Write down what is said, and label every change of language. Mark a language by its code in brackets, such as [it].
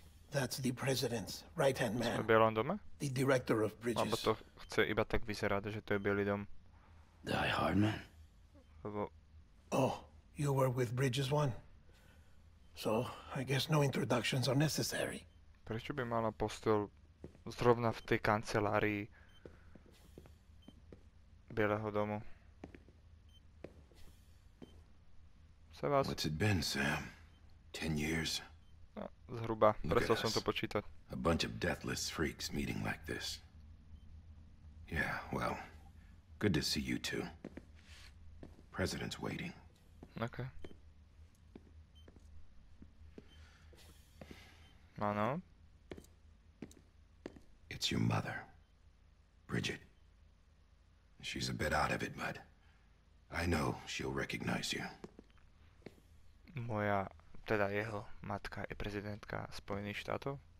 [en] That's the president's right-hand man. [sk] Sme v Bielom dome? [en] The director of bridges. [sk] Lebo to chce iba tak vyzerať, že to je Bielý dom. [en] Die hard man. [sk] Lebo... [en] oh, you were with Bridges one. So, I guess no introductions are necessary. [sk] Prečo by mala postel zrovna v tej kancelárii Bieleho domu? Sa vás. [en] What's it been, Sam? 10 years? [sk] Zhruba, prestal som to počítať. [en] A bunch of deathless freaks meeting like this. Yeah, well, good to see you too. President's waiting. Okay. [sk] Mano? [en] It's your mother, Bridget. She's a bit out of it, but I know she'll recognize you. [sk] Moja... teda jeho matka je prezidentka Spojených štátov?